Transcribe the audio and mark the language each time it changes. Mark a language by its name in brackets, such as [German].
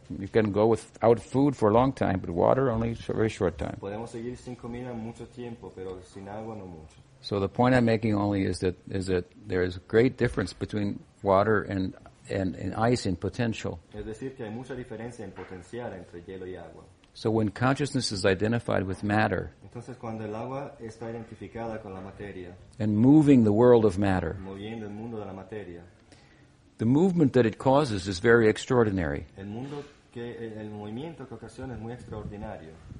[English] You can go without food for a long time, but water only a very short time. [Spanish] Podemos seguir sin comida mucho tiempo, pero sin agua no mucho. [English] So the point I'm making only is that there is a great difference between water and ice in potential. [Spanish] Es decir, que hay mucha diferencia en potencial entre hielo y agua. [English] So when consciousness is identified with matter, [Spanish] entonces, cuando el agua está identificada con la materia, [English] and moving the world of matter, [Spanish] moviendo el mundo de la materia, [English] the movement that it causes is very extraordinary. [Spanish] El mundo que, el movimiento que ocasiona es muy extraordinario.